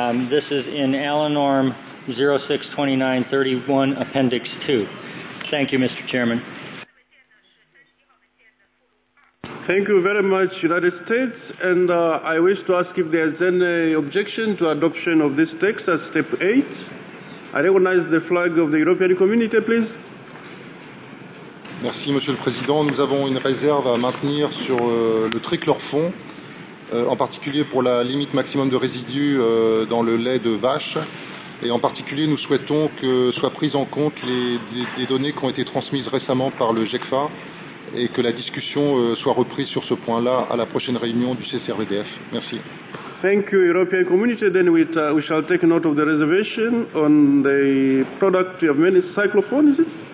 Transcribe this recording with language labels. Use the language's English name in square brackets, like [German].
[English] This is in Alinorm 062931, Appendix 2. Thank you, Mr. Chairman. Thank you very much, United States, and I wish to ask if there is any objection to adoption of this text at Step 8. I recognize the flag of the European Community, please. [French] Merci, Monsieur le Président. Nous avons une réserve à maintenir sur le trichlorfond, en particulier pour la limite maximum de résidus dans le lait de vache. Et en particulier, nous souhaitons que soient prises en compte les données qui ont été transmises récemment par le GECFA et que la discussion soit reprise sur ce point-là à la prochaine réunion du CCRVDF. Merci. [English] Thank you, European Community. Then we shall take note of the reservation on the product of many cyclophone, is it?